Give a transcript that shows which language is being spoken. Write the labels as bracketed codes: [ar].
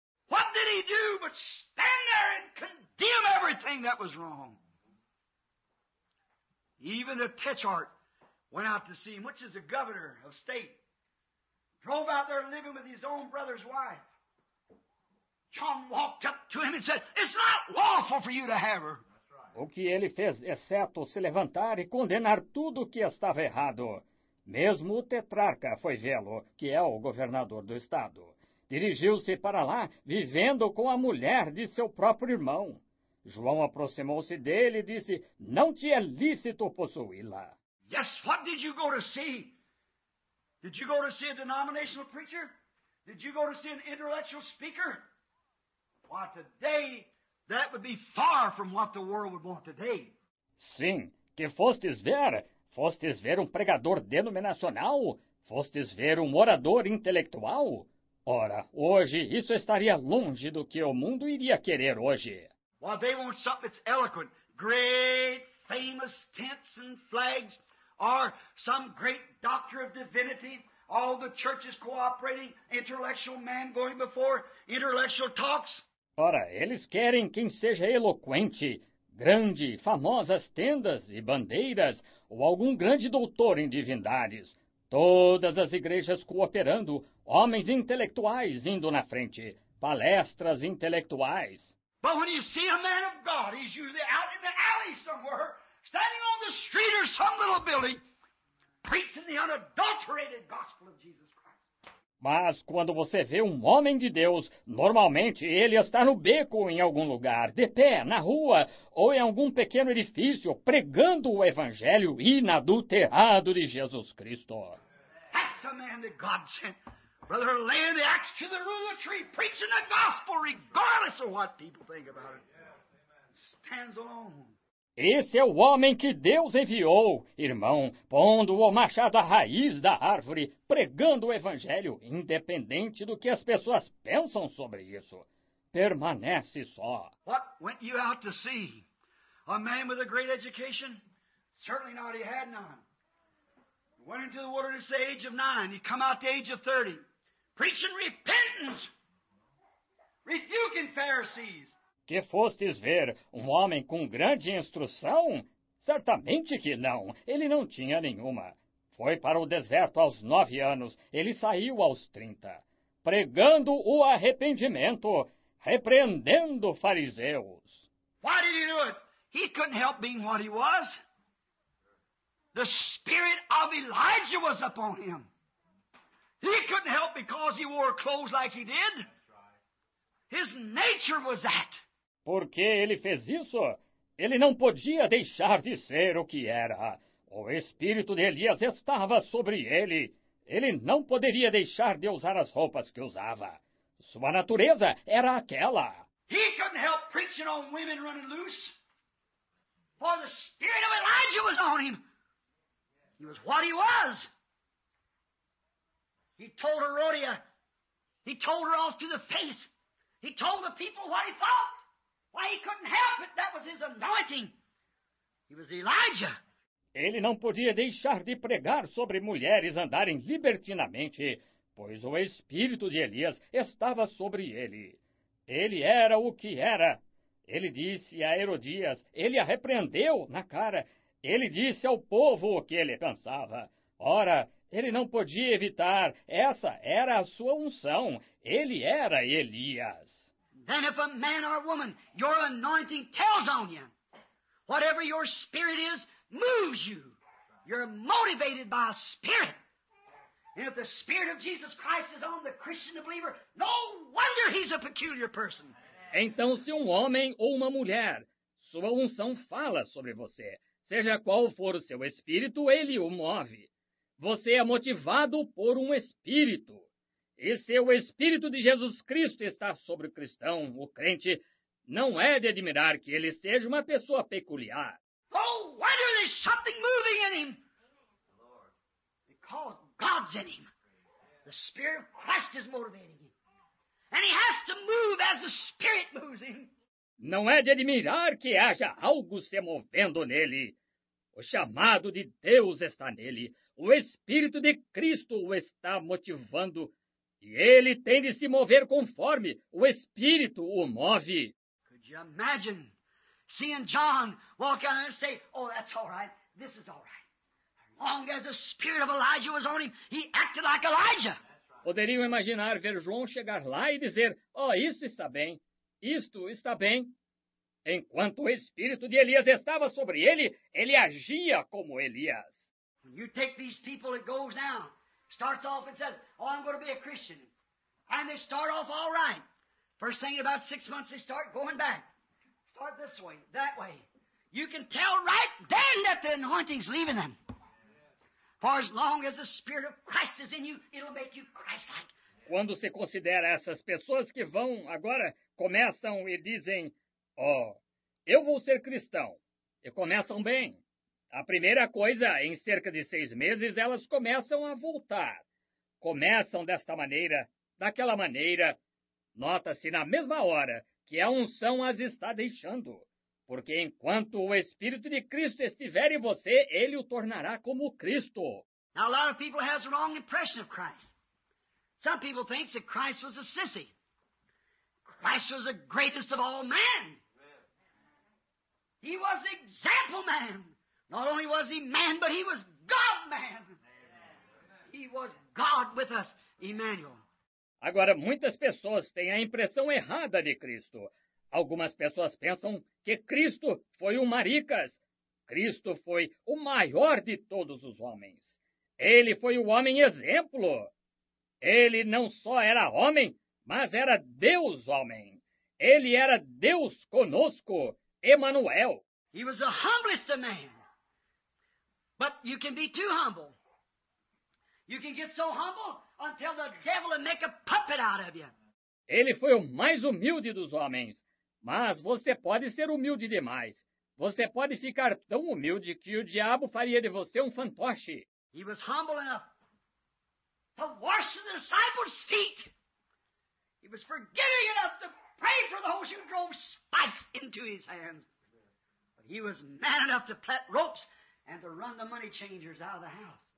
[en] What did he do but stand there and condemn everything that was wrong? Even the tetrarch went out to see him, which is the governor of state. Drove out there living with his own brother's wife. John walked up to him and said, it's not lawful for you to have her. [pt] O que ele fez, exceto se levantar e condenar tudo o que estava errado. Mesmo o tetrarca foi vê-lo, que é o governador do estado. Dirigiu-se para lá, vivendo com a mulher de seu próprio irmão. João aproximou-se dele e disse, não te é lícito possuí-la. [en] Yes, what did you go to see? Did you go to see a denominational preacher? Did you go to see an intellectual speaker? Why, today, that would be far from what the world would want today. [pt] Sim, que fostes ver? Fostes ver um pregador denominacional? Fostes ver um orador intelectual? Ora, hoje, isso estaria longe do que o mundo iria querer hoje. [en] Well, they want something that's eloquent. Great, famous tents and flags. Or some great doctor of divinity, all the churches cooperating, intellectual man going before, intellectual talks. [pt] Ora, eles querem quem seja eloquente, grande, famosas tendas e bandeiras, ou algum grande doutor em divindades. Todas as igrejas cooperando, homens intelectuais indo na frente, palestras intelectuais. [en] But when you see a man of God, he's usually out in the alley somewhere. Standing on the street or some little building, preaching the unadulterated gospel of Jesus Christ. [pt] Mas quando você vê um homem de Deus, normalmente ele está no beco em algum lugar, de pé, na rua, ou em algum pequeno edifício, pregando o evangelho inadulterado de Jesus Cristo. [en] That's a man that God sent. Brother, lay the axe to the root of the tree, preaching the gospel regardless of what people think about it. Stands alone. [pt] Esse é o homem que Deus enviou, irmão, pondo o machado à raiz da árvore, pregando o evangelho, independente do que as pessoas pensam sobre isso. Permanece só. [en] What went you out to see? A man with a great education? Certainly not, he had none. He went into the water at the age of 9. He come out at the age of 30. Preaching repentance. Rebuking Pharisees. [pt] Que fostes ver? Um homem com grande instrução? Certamente que não. Ele não tinha nenhuma. Foi para o deserto aos 9 anos. Ele saiu aos 30. Pregando o arrependimento. Repreendendo fariseus. [en] Why did he do it? He couldn't help being what he was. The spirit of Elijah was upon him. He couldn't help because he wore clothes like he did. His nature was that. [pt] Por que ele fez isso? Ele não podia deixar de ser o que era. O espírito de Elias estava sobre ele. Ele não poderia deixar de usar as roupas que usava. Sua natureza era aquela. [en] He couldn't help preaching on women running loose. For the spirit of Elijah was on him. He was what he was. He told Herodia. He told her off to the face. He told the people what he thought. Why he couldn't help it. That was his anointing. He was Elijah. [pt] Ele não podia deixar de pregar sobre mulheres andarem libertinamente, pois o espírito de Elias estava sobre ele. Ele era o que era. Ele disse a Herodias, ele a repreendeu na cara. Ele disse ao povo o que ele pensava. Ora, ele não podia evitar. Essa era a sua unção. Ele era Elias. [en] Then if a man or a woman, your anointing tells on you, whatever your spirit is, moves you. You're motivated by a spirit. And if the spirit of Jesus Christ is on the Christian, the believer, no wonder he's a peculiar person. [pt] Então, se homem ou uma mulher, sua unção fala sobre você, seja qual for o seu espírito, ele o move. Você é motivado por espírito. E se o espírito de Jesus Cristo está sobre o cristão, o crente, não é de admirar que ele seja uma pessoa peculiar. [en] Oh, wonder there's something moving in him. Because God's in him. The Spirit of Christ is motivating him. And he has to move as the Spirit moves him. [pt] Não é de admirar que haja algo se movendo nele. O chamado de Deus está nele. O Espírito de Cristo o está motivando. E ele tem de se mover conforme o Espírito o move. [en] Could you imagine seeing John walk out and say, oh, that's all right, this is all right. Long as the spirit of Elijah was on him, he acted like Elijah. [pt] Poderiam imaginar ver João chegar lá e dizer, oh, isso está bem, isto está bem. Enquanto o espírito de Elias estava sobre ele, ele agia como Elias. [en] When you take these people that goes down, starts off and says, oh, I'm going to be a Christian. And they start off all right. First thing in about 6 months, they start going back. Start this way, that way. You can tell right then that the anointing's leaving them. For as long as the Spirit of Christ is in you, it'll make you Christ-like. [pt] Quando se considera essas pessoas que vão agora, começam e dizem, oh, eu vou ser cristão. E começam bem. A primeira coisa, em cerca de 6 meses, elas começam a voltar. Começam desta maneira, daquela maneira. Nota-se na mesma hora que a unção as está deixando. Porque enquanto o Espírito de Cristo estiver em você, ele o tornará como Cristo. [en] Now, a lot of people has the wrong impression of Christ. Some people think that Christ was a sissy. Christ was the greatest of all men. He was the example man. Not only was he man, but he was God man. He was God with us, Emmanuel. [pt] Agora, muitas pessoas têm a impressão errada de Cristo. Algumas pessoas pensam que Cristo foi o maricas. Cristo foi o maior de todos os homens. Ele foi o homem exemplo. Ele não só era homem, mas era Deus homem. Ele era Deus conosco, Emmanuel. [en] He was the humblest of men. But you can be too humble. You can get so humble until the devil will make a puppet out of you. [pt] Ele foi o mais humilde dos homens. Mas você pode ser humilde demais. Você pode ficar tão humilde que o diabo faria de você fantoche. [en] He was humble enough to wash the disciples' feet. He was forgiving enough to pray for those who drove spikes into his hands. But he was man enough to plait ropes and to run the money changers out of the house.